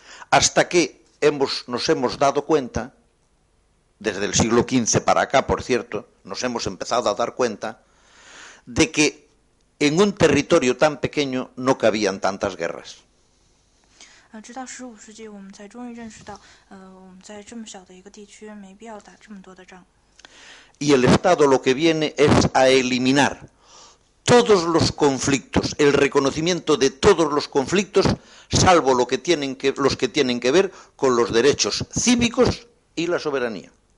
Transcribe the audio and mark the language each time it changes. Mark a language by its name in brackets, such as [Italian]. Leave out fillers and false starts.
[Spanish] Hasta que nos hemos dado cuenta, desde el siglo XV para acá, por cierto, nos hemos empezado a dar cuenta de que en un territorio tan pequeño no cabían tantas guerras. [Chinese] 直到15世纪，我们才终于认识到，我们在这么小的一个地区，没必要打这么多的仗。 [Spanish] Y el Estado lo que viene es a eliminar todos los conflictos, el reconocimiento de todos los conflictos, salvo los que tienen que ver con los derechos cívicos y la soberanía.